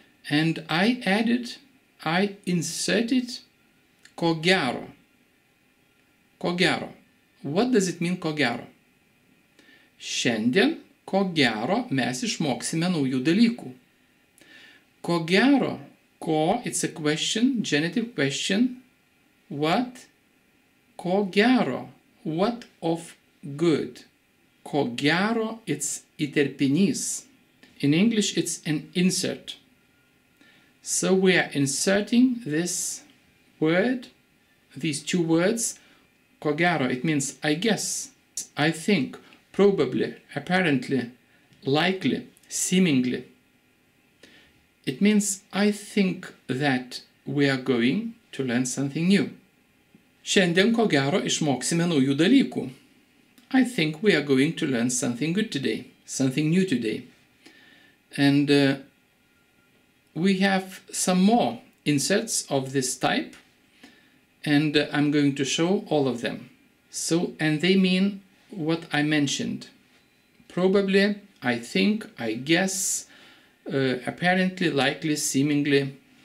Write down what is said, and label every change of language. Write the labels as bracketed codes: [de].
[en] And I inserted ko gero. Ko gero. What does it mean ko gero? [lt] Šiandien ko gero mes išmoksime naujų dalykų. [en] Ko gero, ko, it's a question, genitive question. What? Ko gero. What of good? Ko gero, it's įterpinys. In English, it's an insert. So we are inserting this word, these two words. Ko gero, it means I guess, I think, probably, apparently, likely, seemingly. It means I think that we are going to learn something new. [lt] Šiandien, ko gero, išmoksime naujų dalykų. [en] I think we are going to learn something good today, something new today. And we have some more inserts of this type, and I'm going to show all of them. So, and they mean what I mentioned. Probably, I think, I guess, apparently, likely, seemingly.